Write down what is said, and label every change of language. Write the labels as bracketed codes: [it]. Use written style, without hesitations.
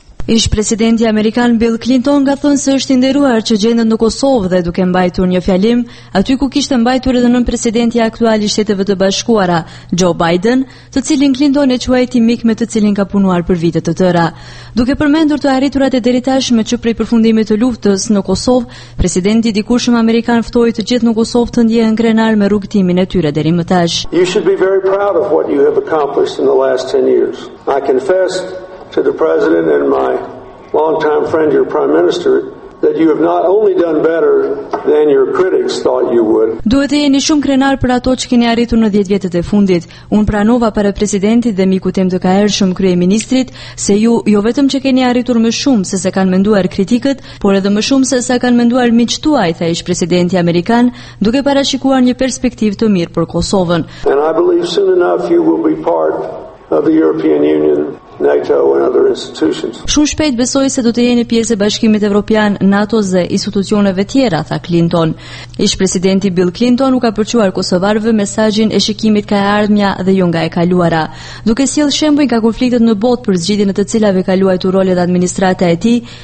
[sq] Ish presidenti amerikan Bill Clinton ka thënë se është i nderuar që gjendet në Kosovë dhe duke mbajtur një fjalim, aty ku kishte mbajtur edhe nën presidenti aktual i Shteteve të Bashkuara, Joe Biden, të cilin Clinton e quajti mik me të cilin ka punuar për vite të tëra. Duke përmendur të arriturat e deritashme që prej përfundimit të luftës në Kosovë, presidenti dikurshëm amerikan ftoi të gjithë në Kosovë të ndjehen krenar me rrugëtimin e tyre deri më tash. [en] You should be very proud of what you have accomplished in the last 10 years. I confess to the president and my longtime friend, your prime minister, that you have not only done better than your critics thought you would. [sq] Duhet të jeni shumë krenar për ato që keni arritur në 10 vjetët e fundit. Unë pranova para presidentit dhe miku tim të kaërshëm kryeministrit se ju jo vetëm që keni arritur më shumë se sa kanë menduar kritikët, por edhe më shumë se sa kanë menduar miqtë tuaj, tha ish presidenti amerikan, duke parashikuar një perspektivë të mirë për Kosovën. [en] And I believe soon enough you will be part of the European Union, NATO and other institutions. [sq] Shumë shpejt besoj se do të jeni pjesë e Bashkimit Evropian, NATO-s dhe institucioneve tjera, tha Clinton. Ish presidenti Bill Clinton u ka përquar kosovarëve mesazhin e shikimit ka e ardhmja dhe jo nga e kaluara, duke sjell shembuj nga konfliktet në botë për zgjidhjen e të cilave ka luajtur rolet administrata e tij.